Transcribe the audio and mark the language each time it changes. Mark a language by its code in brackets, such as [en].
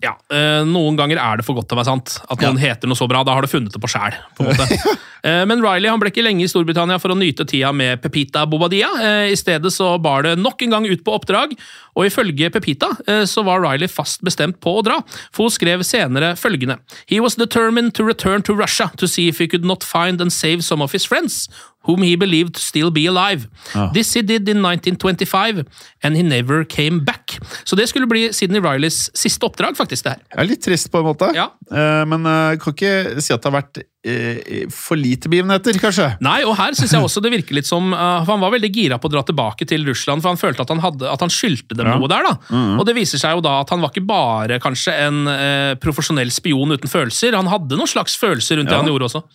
[no] Ja, noen ganger det for godt til å være sant. At noen heter noe så bra, da har du funnet det på selv, på en måte. Men Reilly han ble ikke lenge I Storbritannia for å nyte tida med Pepita Bobadilla. I stedet så bar det nok en gang ut på oppdrag, og ifølge Pepita så var Reilly fast bestemt på å dra. For hun skrev senere følgende. [en] He was determined to return to Russia to see if he could not find and save some of his friends, whom he believed to still be alive. [no] Ja. [en] This he did in 1925, and he never came back. [no] Så det skulle bli Sidney Reillys siste oppdrag, faktisk, det her. Jeg litt trist på en måte. Ja. Men jeg kan ikke si at det har vært for lite begivenheter, kanskje? Nei, og her synes jeg også det virker litt som, for han var veldig gira på å dra tilbake til Russland, for han følte at han skyldte dem noe der, da. Mm-hmm. Og det viser seg jo da at han var ikke bare, kanskje, en profesjonell spion uten følelser. Han hadde noen slags følelser rundt det han gjorde også.